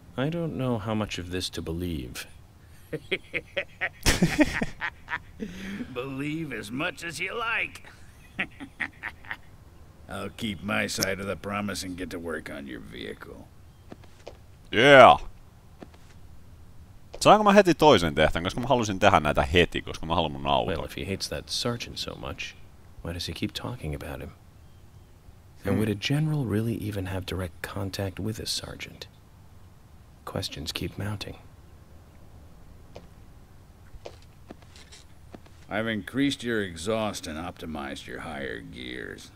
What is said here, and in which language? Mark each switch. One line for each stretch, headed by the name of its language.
English: I don't know how much of this to believe. Believe as much as you like. I'll keep my side of the promise and get to work on your vehicle. Yeah.
Finnish: Saanko mä heti toisen tehtävän, koska mä halusin tehdä näitä heti, koska mä haluan mun auton.
English: Well, if he hates that sergeant so much, why does he keep talking about him? And would a general really even have direct contact with a sergeant? Questions keep mounting. I've increased your exhaust and optimized your higher gears.